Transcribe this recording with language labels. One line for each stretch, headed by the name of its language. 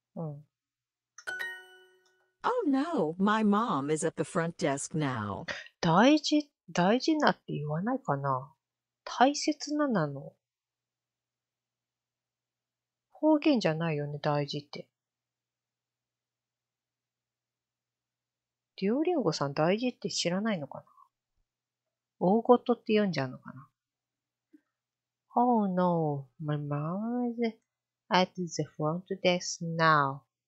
English: Oh no, my mom is at the front desk now.
Japanese: 大事なって言わないかな。大切ななの。方言じゃないよね、大事って。デュオリンゴさん大事って知らないのかな？大事って読んじゃうのかな？
English: Oh no, my mom is at the front desk now.